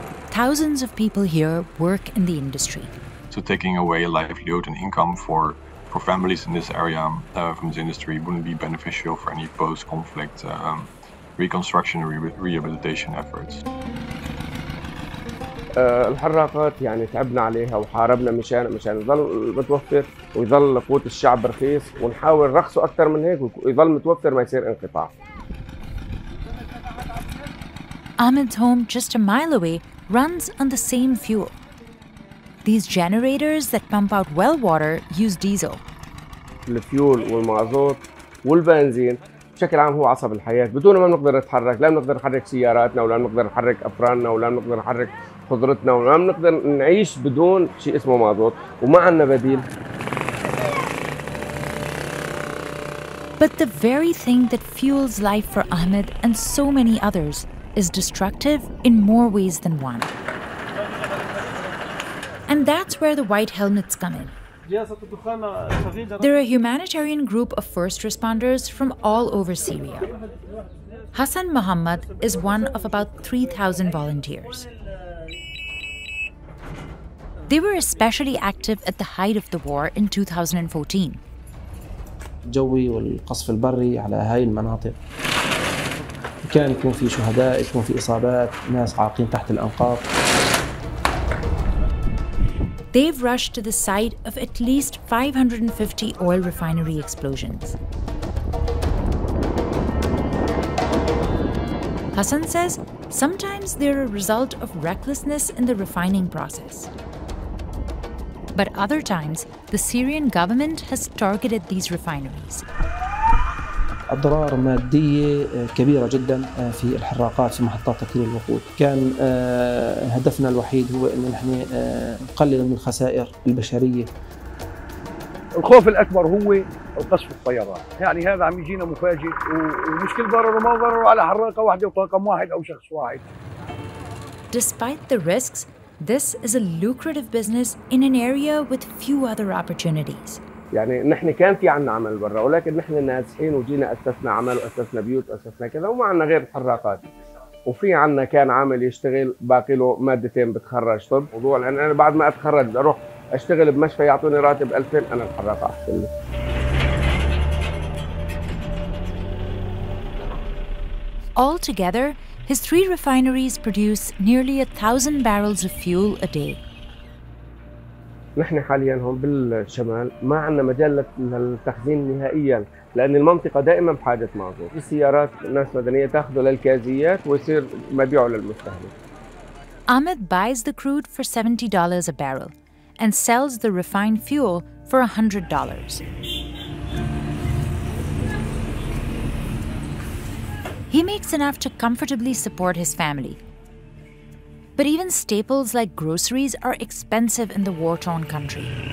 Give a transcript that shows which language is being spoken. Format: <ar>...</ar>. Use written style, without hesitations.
<en>Thousands of people here work in the industry. So taking away livelihood and income for families in this area from this industry wouldn't be beneficial for any post-conflict reconstruction or rehabilitation efforts.</en> <ar>الحراقات يعني تعبنا عليها وحاربنا مشان يظل متوفر ويظل قوت الشعب رخيص ونحاول رخصه أكثر من هيك ويظل متوفر ما يصير انقطاع.</ar> <en>Ahmed's home, just a mile away, runs on the same fuel. These generators that pump out well water use diesel.</en> <ar>الفيول والمازوت والبنزين بشكل عام هو عصب الحياة. بدونه ما بنقدر نتحرك، لا بنقدر نحرك سياراتنا ولا بنقدر نحرك أفراننا ولا بنقدر نحرك خضرتنا ولا بنقدر نعيش بدون شيء اسمه مازوت وما عندنا بديل.</ar> <en>But the very thing that fuels life for Ahmed and so many others is destructive in more ways than one. And that's where the white helmets come in. They're a humanitarian group of first responders from all over Syria. Hassan Muhammad is one of about 3,000 volunteers. They were especially active at the height of the war in 2014.</en> <ar>جوي والقصف البري على هاي المناطق كان يكون في شهداء يكون في إصابات ناس عاقين تحت الأنقاض.</ar> <en>They've rushed to the site of at least 550 oil refinery explosions. Hassan says sometimes they're a result of recklessness in the refining process. But other times, the Syrian government has targeted these refineries.</en> <ar>أضرار مادية كبيرة جدا في الحراقات في محطات تكرير الوقود. كان هدفنا الوحيد هو أن نحن نقلل من الخسائر البشرية. الخوف الأكبر هو القصف الطيران. يعني هذا عم يجينا مفاجئ ومش كل ضرر وما ضرر على حراقة واحدة وطاقم واحد أو شخص واحد.</ar> <en>Despite the risks, this is a lucrative business in an area with few other opportunities.</en> <ar>يعني نحن كان في عنا عمل برا ولكن نحن نازحين وجينا أسسنا عمل وأسسنا بيوت وأسسنا كذا وما عنا غير الحراقات وفي عنا كان عامل يشتغل باقي له مادتين بتخرج طب موضوع لأن أنا بعد ما أتخرج أروح أشتغل بمشفى يعطوني راتب 2000 أنا الحراقة أحسن لي.</ar> <en>Altogether, his three refineries produce nearly 1,000 barrels of fuel a day.</en> <ar>نحن حاليا هون بالشمال ما عندنا مجال للتخزين نهائيا لان المنطقه دائما بحاجه مازوت السيارات ناس مدنيه تاخذه للكازيات ويصير مبيعه للمستهلك.</ar> <en>Ahmed buys the crude for $70 a barrel and sells the refined fuel for $100. He makes enough to comfortably support his family. But even staples like groceries are expensive in the war-torn country.</en>